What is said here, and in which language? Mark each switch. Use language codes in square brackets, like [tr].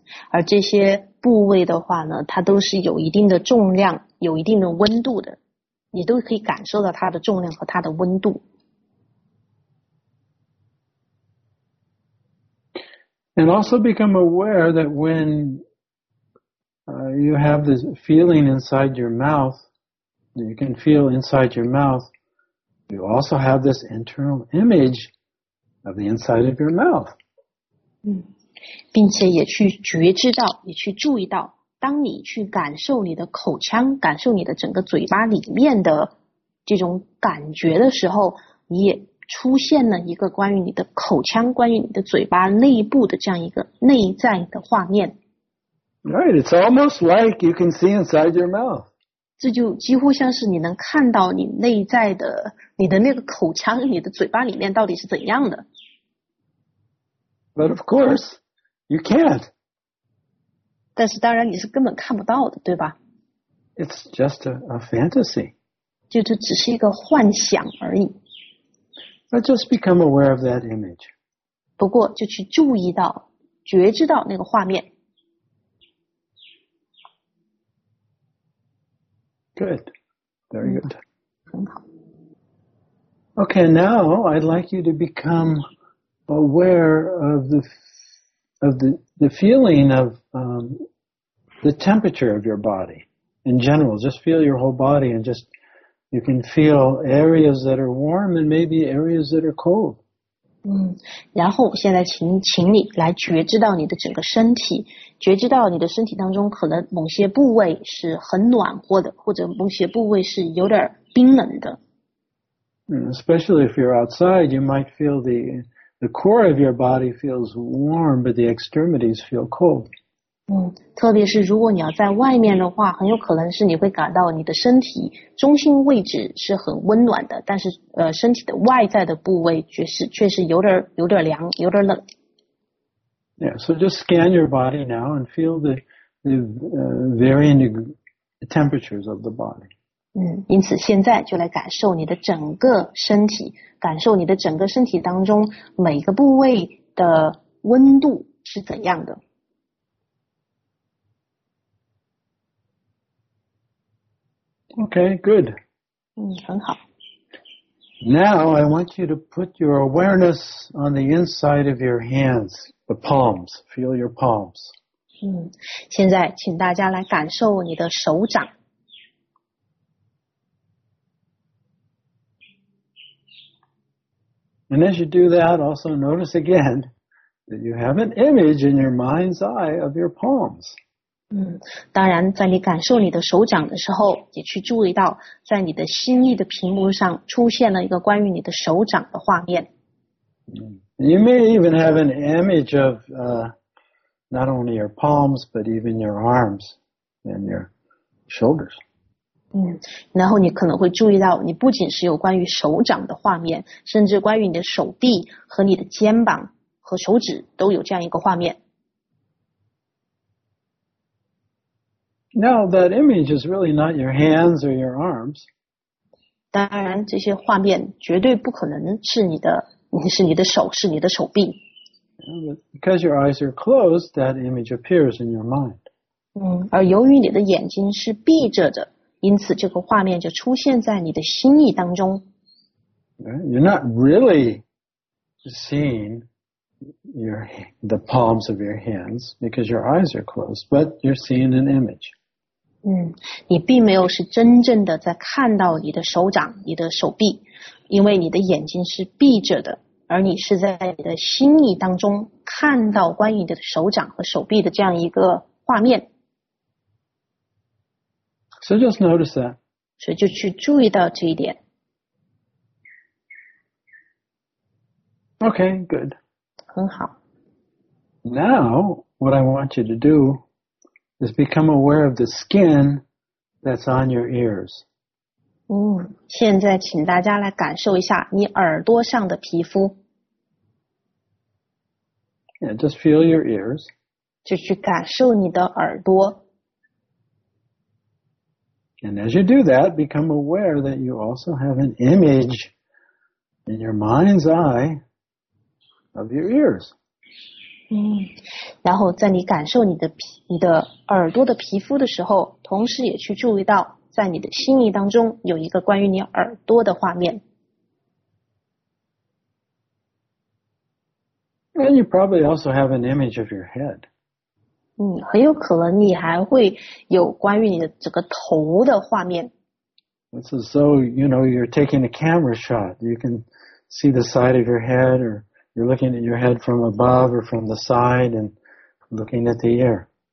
[zh] 而这些部位的话呢，它都是有一定的重量，有一定的温度的，你都可以感受到它的重量和它的温度。 [en] And also become aware that when you have this feeling inside your mouth, you can feel inside your mouth, you also have this internal image of the inside of your mouth. [zh] 并且也去觉知到，也去注意到，当你去感受你的口腔，感受你的整个嘴巴里面的这种感觉的时候，你也出现了一个关于你的口腔，关于你的嘴巴内部的这样一个内在的画面。 [en] Right, it's almost like you can see inside your mouth. [zh] 这就几乎像是你能看到你内在的，你的那个口腔，你的嘴巴里面到底是怎样的。 [en] But of course, you can't. [zh] 但是当然你是根本看不到的，对吧？ [en] It's just a fantasy. [zh] 就这只是一个幻想而已。 [en] But just become aware of that image. [zh] 不过就去注意到，觉知到那个画面。 [en] Good. Very good. [zh] 很好。 [en] Okay, now I'd like you to become aware of the feeling of the temperature of your body. In general, just feel your whole body and just, you can feel areas that are warm and maybe areas that are cold. [zh] 然后现在请你来觉知到你的整个身体，觉知到你的身体当中可能某些部位是很暖和的，或者某些部位是有点冰冷的。 [en] Especially if you're outside, you might feel the core of your body feels warm, but the extremities feel cold. [zh] 特别是如果你要在外面的话，很有可能是你会感到你的身体中心位置是很温暖的，但是身体的外在的部位却是有点凉，有点冷。 [en] Yeah, so just scan your body now and feel the varying temperatures of the body. [zh] 因此现在就来感受你的整个身体，感受你的整个身体当中每个部位的温度是怎样的。 [en] Okay, good. [zh] 很好。 [en] Now I want you to put your awareness on the inside of your hands, the palms. Feel your palms. [zh] 现在请大家来感受你的手掌。 [en] And as you do that, also notice again that you have an image in your mind's eye of your palms. [zh] 当然在你感受你的手掌的时候，也去注意到在你的心意的屏幕上出现了一个关于你的手掌的画面。 [en] You may even have an image of not only your palms, but even your arms and your shoulders. [zh] 然后你可能会注意到你不仅是有关于手掌的画面，甚至关于你的手臂和你的肩膀和手指都有这样一个画面。 [en] Now that image is really not your hands or your arms. [zh] 当然这些画面绝对不可能是你的手，是你的手臂。 [en] Because your eyes are closed, that image appears in your mind. [zh] 而由于你的眼睛是闭着的，因此这个画面就出现在你的心意当中。 [en] You're not really seeing the palms of your hands because your eyes are closed, but you're seeing an image. [zh] 你并没有是真正的在看到你的手掌、你的手臂，因为你的眼睛是闭着的，而你是在你的心意当中看到关于你的手掌和手臂的这样一个画面。 [en] So just notice that. [zh] 所以就去注意到这一点。 [en] Okay, good. [zh] 很好。 [en] Now, what I want you to do. Is become aware of the skin that's on your ears. [zh] 现在请大家来感受一下你耳朵上的皮肤。 [en] Yeah, just feel your ears. [zh] 就去感受你的耳朵。 [en] And as you do that, become aware that you also have an image in your mind's eye of your ears. [zh] 然后在你感受你的耳朵的皮肤的时候，同时也去注意到在你的心意当中有一个关于你耳朵的画面。 [en] And you probably also have an image of your head. [zh] 很有可能你还会有关于你的整个头的画面。 [en] It's as though, you know, you're taking a camera shot. You can see the side of your head or... You're looking at your head from above or from the side and looking at the ear.